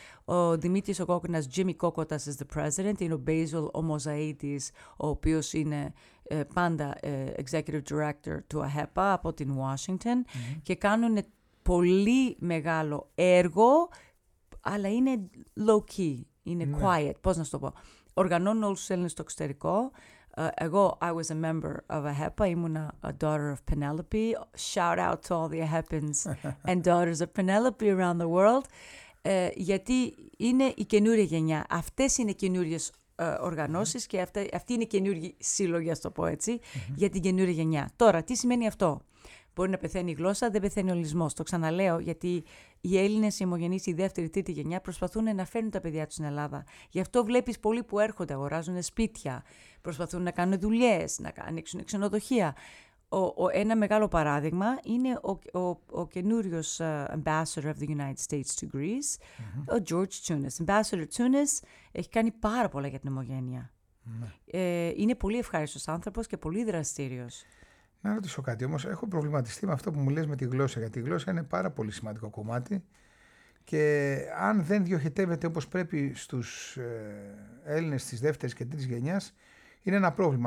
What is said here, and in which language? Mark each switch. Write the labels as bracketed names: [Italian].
[Greek] Ο Δημήτρης ο Κόκκινας, [English] Jimmy Kokotas is the president, [Greek] είναι ο Basil ο Μοζαΐτης, ο οποίος είναι πάντα executive director του ΑΕΠΑ από την Washington, και κάνουν πολύ μεγάλο έργο, αλλά είναι low-key, είναι quiet, πώς να σου το πω. Οργανώνουν όλους τους Έλληνες στο εξωτερικό. Εγώ, [English] I was a member of AHEPA, [Greek] ήμουν [English] a daughter of Penelope. Shout out to all the AHEPans and daughters of Penelope around the world. [Greek] Γιατί είναι η καινούργια γενιά. Αυτές είναι καινούργιες οργανώσεις και αυτή είναι η καινούργια σύλλογη, ας το πω έτσι, για την καινούργια γενιά. Τώρα, τι σημαίνει αυτό? Μπορεί να πεθαίνει η γλώσσα, δεν πεθαίνει ο ελληνισμός. Το ξαναλέω, γιατί οι Έλληνες, οι ομογενείς, η δεύτερη, τρίτη γενιά προσπαθούν να φέρουν τα παιδιά τους στην Ελλάδα. Γι' αυτό βλέπεις πολλοί που έρχονται, αγοράζουν σπίτια, προσπαθούν να κάνουν δουλειές, να ανοίξουν ξενοδοχεία. Ένα μεγάλο παράδειγμα είναι ο καινούριος [English] ambassador of the United States to Greece, [Greek] ο George Tsounis. Ambassador Tsounis έχει κάνει πάρα πολλά για την ομογένεια. Είναι πολύ ευχάριστος άνθρωπος και πολύ δραστήριος. Να ρωτήσω κάτι όμως. Έχω προβληματιστεί με αυτό που μου λες με τη γλώσσα, γιατί η γλώσσα είναι πάρα πολύ σημαντικό κομμάτι. Και αν δεν διοχετεύεται όπως πρέπει στους Έλληνες της δεύτερης και τρίτης γενιάς, είναι ένα πρόβλημα.